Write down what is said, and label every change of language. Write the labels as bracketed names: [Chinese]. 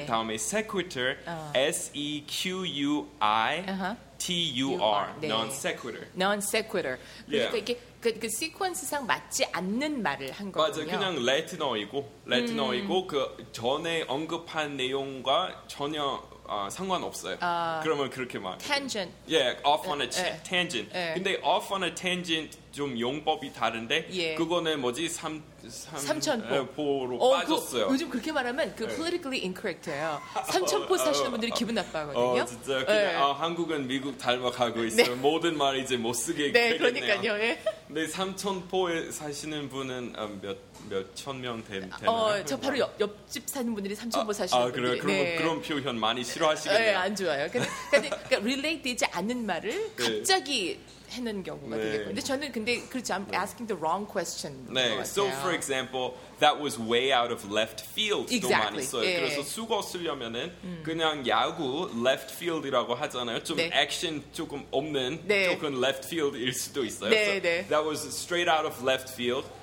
[Korean] 그 다음에 sequitur, sequitur, non sequitur. Non sequitur. 그러니까 yeah. 이게 그 sequence상 맞지 않는 말을 한 거군요. 맞아, 그냥 Latin어이고 그 전에 언급한 내용과 전혀 상관없어요. 그러면 그렇게 말. [English] Tangent. Yeah, off on a tangent. [Korean] 근데 [English] off on a tangent [Korean] 좀 용법이 다른데 예. 그거는 뭐지? 삼천포로 빠졌어요. 그, 요즘 그렇게 말하면 그 [English] politically incorrect [Korean] 예요. 삼천포 사시는 분들이 기분 나빠하거든요. 진짜 그냥, 예. 한국은 미국 닮아가고 있어요. 네. 모든 말 이제 못 쓰게 네, 되겠네요. 그러니까요. 예. 네, 삼천포에 사시는 분은 몇천 명 되나요? 저 바로 옆집 사는 분들이 삼천포 사시는 분들이. 그래요? 그럼, 네. 그런 표현 많이 싫어하시겠네요. 예, 안 좋아요. 그러니까 relate 되지 않는 말을 갑자기 네. 하는 경우가 네. 되겠고. 근데 저는 근데 그렇지 [English] I'm [Korean] 네. [English] asking the wrong question. [Korean] 네. [English] So for example, that was way out of left field. Exactly. [Korean] 많이 써요. 예. 그래서 수거 쓰려면은 그냥 야구 left field이라고 하잖아요. 좀 네. action 조금 없는 네. 조금 left field일 수도 있어요. 네, so 네. [English] That was straight out of left field.